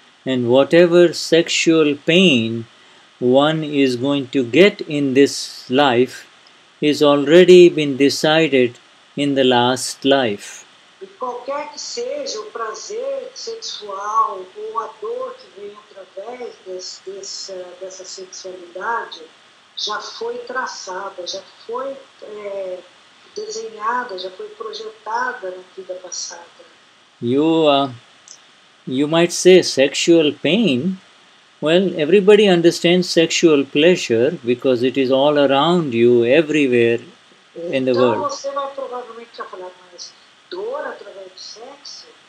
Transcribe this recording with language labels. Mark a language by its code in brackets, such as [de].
[en] And whatever sexual pain one is going to get in this life is already been decided in the last life. [pt] E qualquer que seja o prazer sexual ou a dor que vem através dessa sexualidade já foi traçada, já foi desenhada, já foi projetada na vida passada. [en] You might say sexual pain. Well, everybody understands sexual pleasure because it is all around you, everywhere in the world. [pt] Então, você vai provavelmente já falar, mas dor através do sexo?